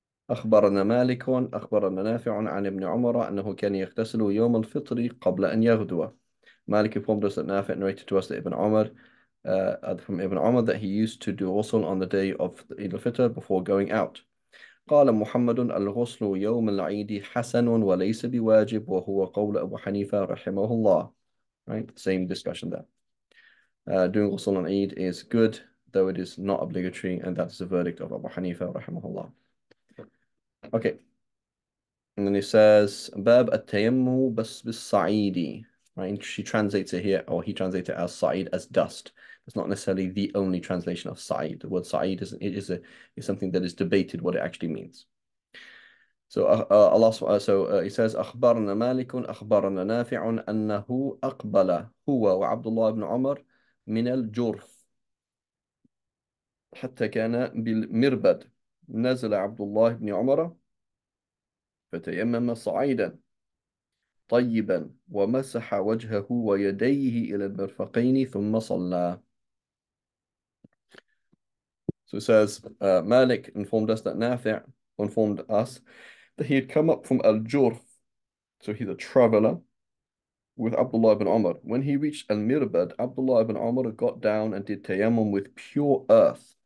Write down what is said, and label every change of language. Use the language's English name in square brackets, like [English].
[Arabic] أخبرنا مالك أخبرنا نافع عن ابن عمر أنه كان يغتسل يوم الفطر قبل أن يغدو. [English] مالك informed us that Nafi' narrated to us that Ibn Umar from Ibn Umar that he used to do ghusl on the day of Eid al-Fitr before going out. [Arabic] قال محمد الغسل يوم العيد حسن وليس بواجب وهو قول أبو حنيفة رحمه الله. [English] Right, same discussion there. Doing ghusl on Eid is good, though it is not obligatory, and that's the verdict of Abu Hanifa رحمه الله. Okay, and then he says, [Arabic] "Bab at-tayammu bas bis-sa'idi." [English] Right? She translates it here, or he translates it as "sa'id" as dust. It's not necessarily the only translation of "sa'id." The word "sa'id" is something that is debated what it actually means. So Allah, he says, [Arabic] "Akhbarna Malikun, akhbarna Nafi'un, annahu aqbala huwa wa Abdullah ibn Umar min al-Jurf, hatta kana bil-Mirbad." نزل عبد الله بن عمر فتيمم صعيدا طيبا ومسح وجهه ويديه إلى المرفقين ثم صلى. [English] So it says, Malik informed us that Nafi' informed us that he had come up from Al-Jurf, so he's a traveler, with Abdullah ibn Umar. When he reached Al-Mirbad, Abdullah ibn Umar got down and did tayammum with pure earth.